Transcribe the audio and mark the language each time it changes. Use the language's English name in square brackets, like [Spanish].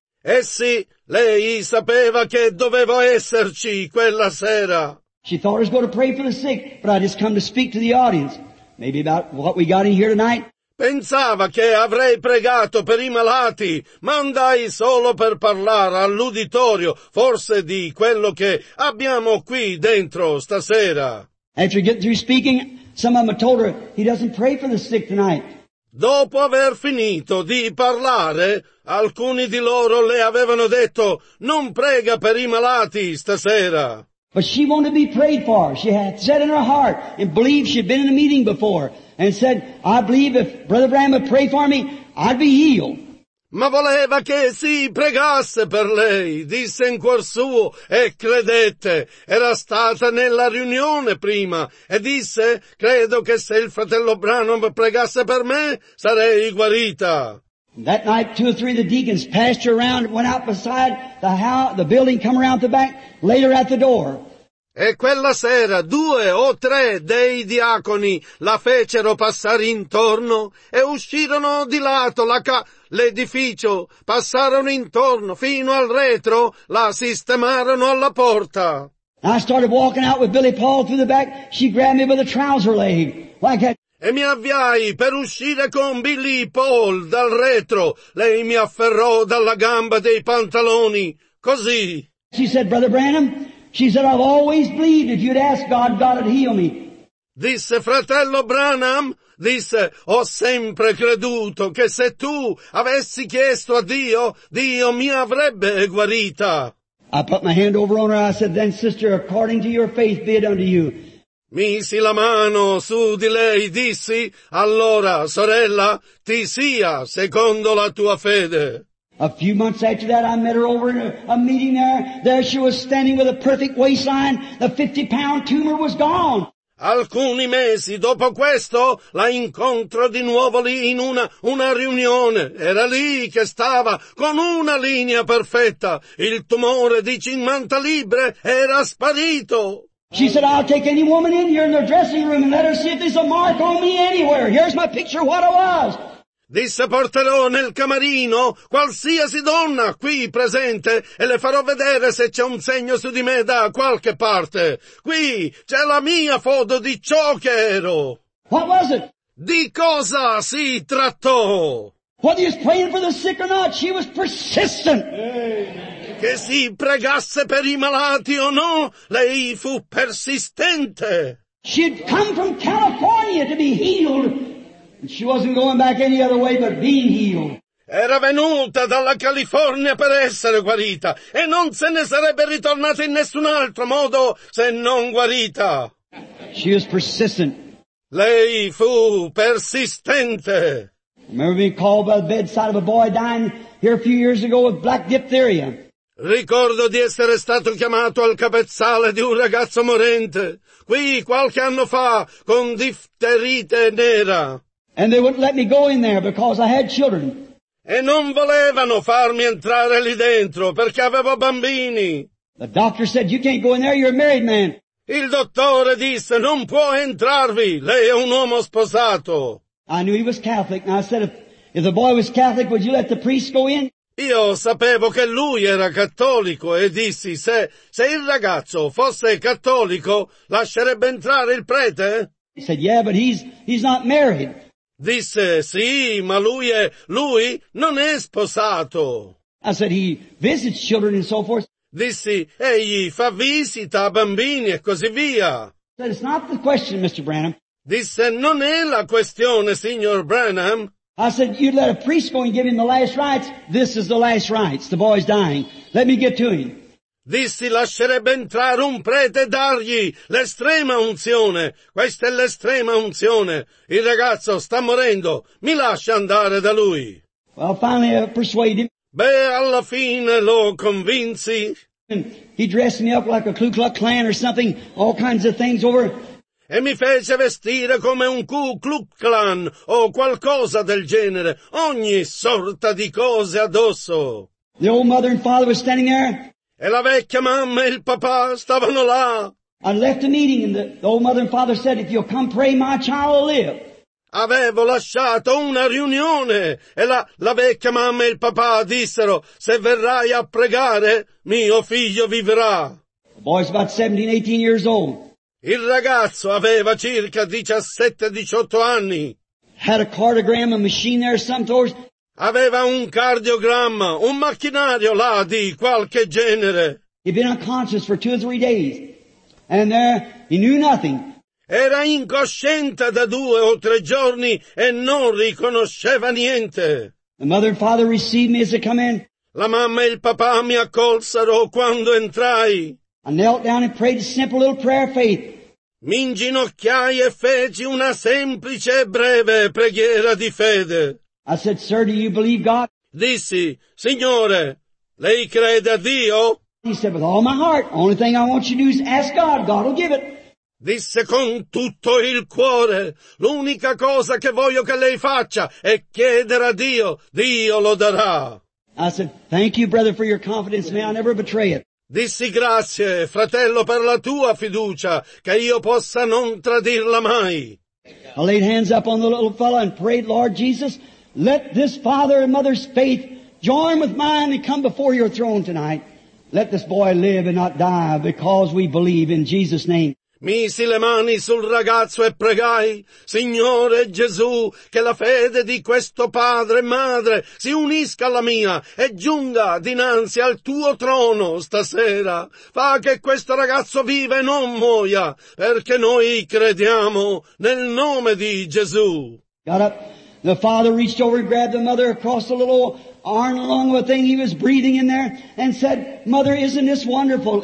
[Italian] Essi, lei sapeva che dovevo esserci quella sera. [English] She thought I was going to pray for the sick, but I just come to speak to the audience, maybe about what we got in here tonight. [Italian] Pensava che avrei pregato per i malati, ma andai solo per parlare all'uditorio, forse di quello che abbiamo qui dentro stasera. [English] After getting through speaking, some of them told her he doesn't pray for the sick tonight. [Italian] Dopo aver finito di parlare, alcuni di loro le avevano detto non prega per i malati stasera. [English] But she wanted to be prayed for. She had said in her heart and believed she'd been in a meeting before. And said, I believe if Brother Branham would pray for me, I'd be healed. [Italian] ma voleva che si pregasse per lei, disse in cuor suo, e credette. Era stata nella riunione prima, e disse, credo che se il fratello Branham pregasse per me, sarei guarita. [English] That night, two or three of the deacons passed her around, went out beside the house, the building, come around the back, laid her at the door. [Italian] E quella sera due o tre dei diaconi la fecero passare intorno e uscirono di lato l'edificio, passarono intorno fino al retro, la sistemarono alla porta. [English] I started walking out with Billy Paul through the back, she grabbed me by the trouser leg, like that. [Italian] E mi avviai per uscire con Billy Paul dal retro, lei mi afferrò dalla gamba dei pantaloni, così. [English] She said, Brother Branham, she said, I've always believed if you'd ask God, God would heal me. [Italian] Disse, fratello Branham, disse, ho sempre creduto che se tu avessi chiesto a Dio, Dio mi avrebbe guarita. [English] I put my hand over on her, I said, then sister, according to your faith be it unto you. [Italian] Misi la mano su di lei, dissi, allora, sorella, ti sia secondo la tua fede. [English] A few months after that, I met her over in a meeting there. There she was standing with a perfect waistline. The 50-pound tumor was gone. [Italian] Alcuni mesi dopo questo, la incontro di nuovo lì in una riunione. Era lì che stava con una linea perfetta. Il tumore di 50 libbre era sparito. [English] She said, I'll take any woman in here in the dressing room and let her see if there's a mark on me anywhere. Here's my picture, what it was. [Italian] Disse, porterò nel camerino qualsiasi donna qui presente e le farò vedere se c'è un segno su di me da qualche parte. Qui c'è la mia foto di ciò che ero. [English] What was it? [Italian] Di cosa si trattò? [English] Whether he was praying for the sick or not, she was persistent. [Italian] Che si pregasse per i malati o no, lei fu persistente. [English] She'd come from California to be healed. She wasn't going back any other way but being healed. [Italian] Era venuta dalla California per essere guarita e non se ne sarebbe ritornata in nessun altro modo se non guarita. [English] She was persistent. [Italian] Lei fu persistente. [English] Remember being called by the bedside of a boy dying here a few years ago with black diphtheria. [Italian] Ricordo di essere stato chiamato al capezzale di un ragazzo morente qui qualche anno fa con difterite nera. [English] And they wouldn't let me go in there because I had children. [Italian] E non volevano farmi entrare lì dentro perché avevo bambini. [English] The doctor said, you can't go in there, you're a married man. [Italian] Il dottore disse, non può entrarvi, lei è un uomo sposato. [English] I knew he was Catholic and I said, if the boy was Catholic, would you let the priest go in? [Italian] Io sapevo che lui era cattolico e dissi, se il ragazzo fosse cattolico, lascerebbe entrare il prete? [English] He said, yeah, but he's not married. [Italian] Disse, sì, ma lui non è sposato. [English] I said, he visits children and so forth. [Italian] Dissi, egli fa visita a bambini e così via. [English] I said, it's not the question, Mr. Branham. [Italian] Disse, non è la questione, signor Branham. [English] I said, you let a priest go and give him the last rites. This is the last rites. The boy's dying. Let me get to him. [Italian] Dissi, lascerebbe entrare un prete e dargli l'estrema unzione. Questa è l'estrema unzione. Il ragazzo sta morendo. Mi lascia andare da lui. [English] Well, finally I persuaded him. [Italian] Beh, alla fine lo convinci. [English] And he dressed me up like a Ku Klux Klan or something, all kinds of things over. [Italian] E mi fece vestire come un Ku Klux Klan o qualcosa del genere. Ogni sorta di cose addosso. [English] The old mother and father were standing there. [Italian] E la vecchia mamma e il papà stavano là. [English] I left the meeting and the old mother and father said, if you'll come pray, my child will live. [Italian] Avevo lasciato una riunione e la vecchia mamma e il papà dissero, se verrai a pregare, mio figlio vivrà. [English] The boy's about 17, 18 years old. [Italian] Il ragazzo aveva circa 17-18 anni. [English] Had a cardiogram, a machine there, some towards. [Italian] Aveva un cardiogramma, un macchinario là di qualche genere. [English] He'd been unconscious for two or three days. And there, he knew nothing. [Italian] Era incosciente da due o tre giorni e non riconosceva niente. [English] The mother and father received me as I come in. [Italian] La mamma e il papà mi accolsero quando entrai. [English] I knelt down and prayed a simple little prayer of faith. [Italian] Mi inginocchiai e feci una semplice e breve preghiera di fede. [English] I said, sir, do you believe God? [Italian] dissi, Signore, lei crede a Dio? [English] He said, with all my heart, only thing I want you to do is ask God, God will give it. [Italian] Disse con tutto il cuore, l'unica cosa che voglio che lei faccia è chiedere a Dio, Dio lo darà. [English] I said, thank you, brother, for your confidence, may I never betray it. [Italian] Dissi grazie, fratello, per la tua fiducia, che io possa non tradirla mai. [English] I laid hands up on the little fellow and prayed, Lord Jesus, let this father and mother's faith join with mine and come before your throne tonight. Let this boy live and not die because we believe in Jesus' name. [Italian] Misi le mani sul ragazzo e pregai, Signore Gesù, che la fede di questo padre e madre si unisca alla mia e giunga dinanzi al tuo trono stasera. Fa che questo ragazzo viva e non muoia, perché noi crediamo nel nome di Gesù. [English] Got up. The father reached over and grabbed the mother across the little arm along the thing he was breathing in there and said, Mother, isn't this wonderful?